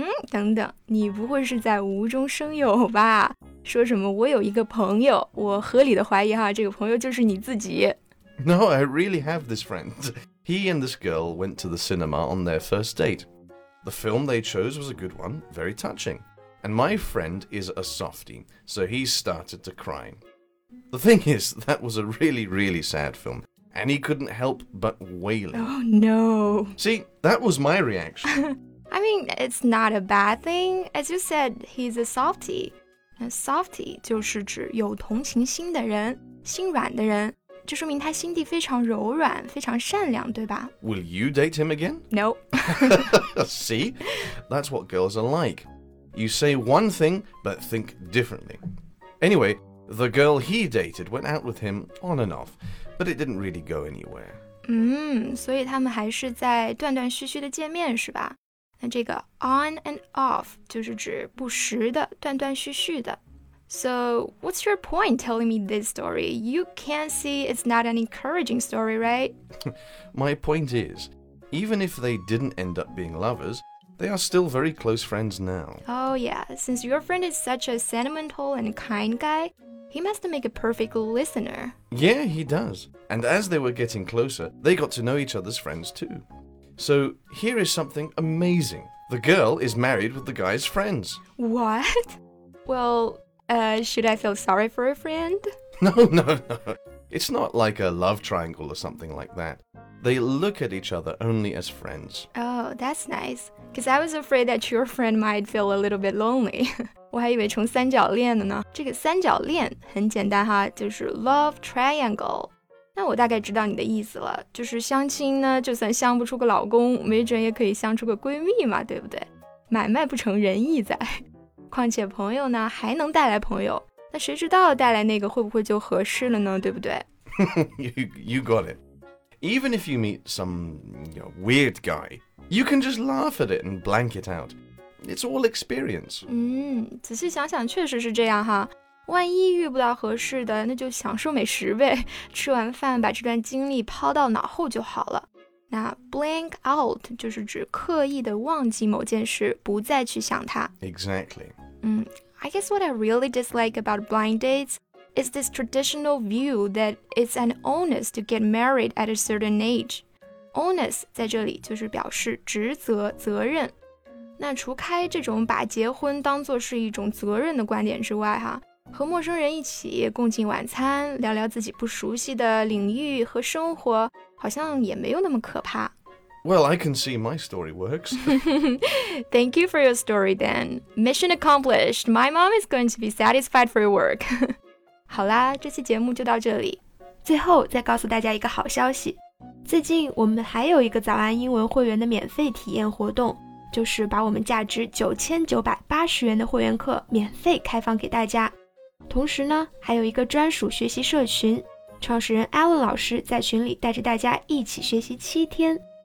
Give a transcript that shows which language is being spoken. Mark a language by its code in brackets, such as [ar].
[zh] 等等，你不会是在无中生有吧？说什么我有一个朋友，我合理的怀疑哈，这个朋友就是你自己。 [en] No, I really have this friend. He and this girl went to the cinema on their first date. The film they chose was a good one, very touching. And my friend is a softie, so he started to cry. The thing is, that was a really, really sad film, and he couldn't help but wailing. Oh, no. See, that was my reaction. I mean, it's not a bad thing. As you said, he's a softie. [zh] Softy 就是指有同情心的人，心软的人，这说明他心地非常柔软，非常善良，对吧？ [en] Will you date him again? No. See? That's what girls are like. You say one thing, but think differently. Anyway, the girl he dated went out with him on and off, but it didn't really go anywhere. [zh] 所以他们还是在断断续续的见面，是吧？那这个 on and off 就是指不时的、断断续续的。 [en] So, what's your point telling me this story? You can see it's not an encouraging story, right? My point is, even if they didn't end up being lovers, they are still very close friends now. Oh yeah, since your friend is such a sentimental and kind guy, he must make a perfect listener. Yeah, he does. And as they were getting closer, they got to know each other's friends too. So, here is something amazing. The girl is married with the guy's friends. What? Well, should I feel sorry for a friend? No. It's not like a love triangle or something like that. They look at each other only as friends. Oh, that's nice. Because I was afraid that your friend might feel a little bit lonely. [zh] 我还以为成三角恋了呢。这个三角恋很简单哈，就是 love triangle. 那我大概知道你的意思了，就是相亲呢，就算相不出个老公，没准也可以相出个闺蜜嘛，对不对？买卖不成仁义在。况且朋友呢，还能带来朋友，那谁知道带来那个会不会就合适了呢，对不对？ [en] You got it. Even if you meet some, you know, weird guy, you can just laugh at it and blank it out. It's all experience. [zh] 仔细想想确实是这样哈。万一遇不到合适的，那就享受美食呗。吃完饭把这段经历抛到脑后就好了。那 blank out 就是指刻意的忘记某件事，不再去想它。 [en] Exactly. I guess what I really dislike about blind dates is this traditional view that it's an onus to get married at a certain age. [zh] Onus 在这里就是表示职责、责任。那除开这种把结婚当作是一种责任的观点之外，哈。和陌生人一起共进晚餐，聊聊自己不熟悉的领域和生活，好像也没有那么可怕。 [en] Well, I can see my story works. Thank you for your story, then. Mission accomplished. My mom is going to be satisfied for your work. [zh] 好啦，这期节目就到这里。最后再告诉大家一个好消息，最近我们还有一个早安英文会员的免费体验活动，就是把我们价值9980元的会员课免费开放给大家。同时呢，还有一个专属学习社群，创始人 Alan 老师在群里带着大家一起学习7天。